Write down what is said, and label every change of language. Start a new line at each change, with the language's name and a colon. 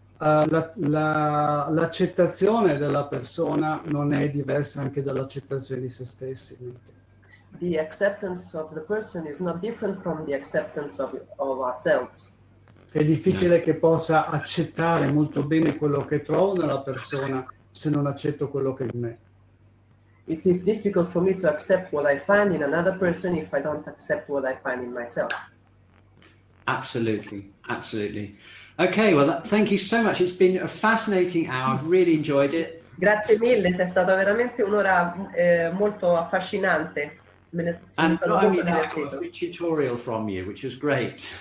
Italian: L'accettazione della persona non è diversa anche dall'accettazione di se stessi.
English: The acceptance of the person is not different from the acceptance of ourselves.
Italian: È difficile che possa accettare molto bene quello che trovo nella persona se non accetto quello che è in me.
English: It is difficult for me to accept what I find in another person if I don't accept what I find in myself. Absolutely, absolutely. Okay, well, thank you so much. It's been a fascinating hour. I've really enjoyed it.
Italian: Grazie mille, sei stata veramente un'ora molto affascinante.
English: And I mean, I got a free tutorial from you, which was great.